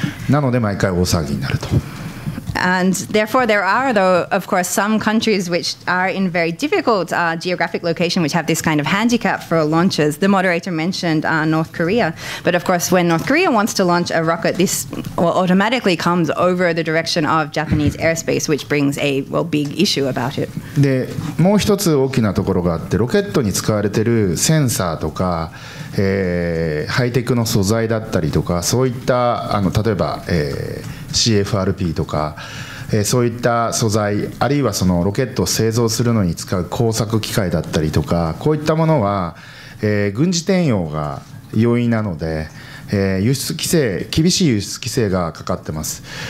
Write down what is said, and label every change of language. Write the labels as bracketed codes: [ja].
[ja] なので毎回大騒ぎになると。 [en] And therefore there are though of course some countries which are in very difficult, geographic location which have this kind of handicap for launches. The moderator mentioned, North Korea. But of course when North Korea wants to launch a rocket, this will automatically comes over the direction of Japanese airspace which brings a, well, big issue about it. [ja] で、もう一つ大きなところがあって、ロケットに使われているセンサーとか、ハイテクの素材だったりとか、そういった例えば、CFRP とか、そういった素材、あるいはそのロケットを製造するのに使う工作機械だったりとか、こういったものは、軍事転用が容易なので、輸出規制、厳しい輸出規制がかかってます。